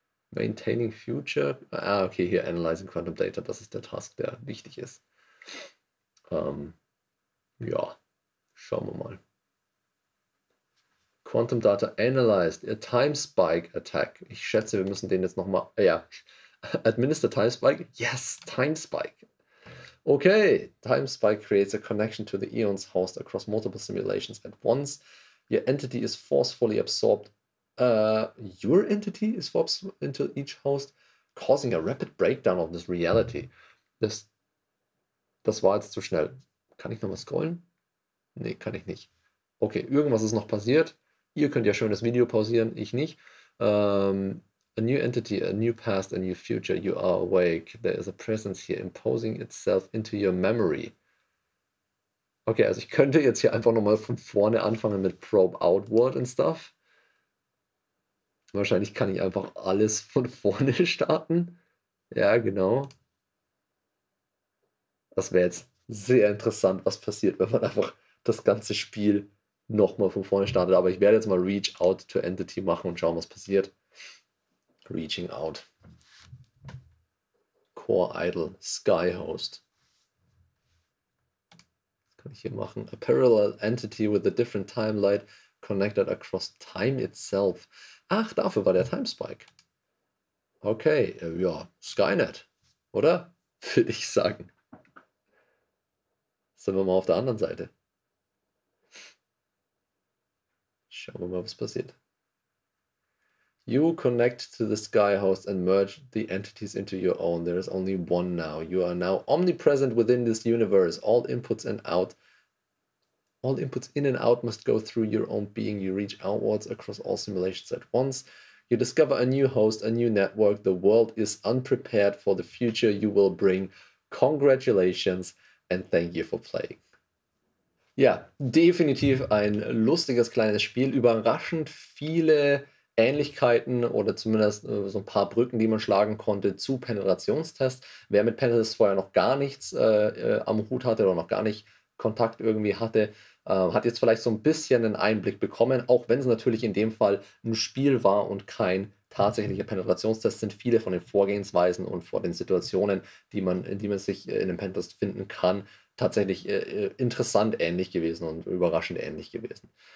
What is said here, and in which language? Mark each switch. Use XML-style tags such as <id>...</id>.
<de>Maintaining Future. Okay, hier Analyzing Quantum Data, das ist der Task, der wichtig ist. Schauen wir mal.</de> <en>Quantum Data Analyzed, a Time Spike Attack.</en> <de>Ich schätze, wir müssen den jetzt nochmal, administer Time Spike.</de> <en>Yes, Time Spike. Okay, Time Spike creates a connection to the Eons host across multiple simulations at once. Your entity is forcefully absorbed. Your entity is forced into each host, causing a rapid breakdown of this reality.</en> <de>Das war jetzt zu schnell. Kann ich nochmal scrollen? Nee, kann ich nicht. Okay, irgendwas ist noch passiert. Ihr könnt ja schön das Video pausieren, ich nicht.</de> <en>A new entity, a new past, a new future. You are awake. There is a presence here imposing itself into your memory.</en> <de>Okay, also ich könnte jetzt hier einfach nochmal von vorne anfangen mit Probe Outward und stuff. Wahrscheinlich kann ich einfach alles von vorne starten. Ja, genau. Das wäre jetzt sehr interessant, was passiert, wenn man einfach das ganze Spiel nochmal von vorne startet. Aber ich werde jetzt mal Reach Out to Entity machen und schauen, was passiert. Reaching Out.</de> <en>Core Idle Sky Host.</en> <de>Was kann ich hier machen?</de> <en>A parallel entity with a different timeline connected across time itself.</en> <de>Ach, dafür war der Time Spike. Okay, ja, Skynet, oder? Würde ich sagen. Sind wir mal auf der anderen Seite. Schauen wir mal, was passiert.</de> <en>You connect to the sky host and merge the entities into your own. There is only one now. You are now omnipresent within this universe. All inputs in and out must go through your own being. You reach outwards across all simulations at once. You discover a new host, a new network. The world is unprepared for the future you will bring. Congratulations and thank you for playing.</en> <de>Ja, definitiv ein lustiges kleines Spiel. Überraschend viele Ähnlichkeiten oder zumindest so ein paar Brücken, die man schlagen konnte zu Penetrationstest. Wer mit Penetrationstest vorher noch gar nichts am Hut hatte oder noch gar nicht Kontakt irgendwie hatte, hat jetzt vielleicht so ein bisschen einen Einblick bekommen, auch wenn es natürlich in dem Fall ein Spiel war und kein tatsächlicher Penetrationstest, sind viele von den Vorgehensweisen und von den Situationen, die man sich in einem Pentest finden kann, tatsächlich interessant ähnlich gewesen und überraschend ähnlich gewesen.</de>